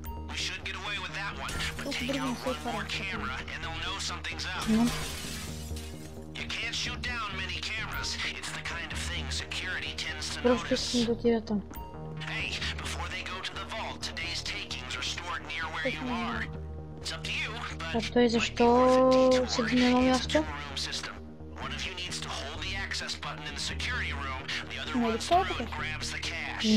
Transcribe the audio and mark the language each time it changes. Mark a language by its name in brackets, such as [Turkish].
[English] We should get away with that one, but take out one more camera and they'll know something's up. You can't shoot down many cameras. It's the kind of thing security tends to notice. Hey, before they go to the vault, today's takings are stored near where you are. It's up to you, but... [Bulgarian] Той защо седи на едно място? [English] One of you needs to hold the access button in the security room, the other one through and grabs the cash.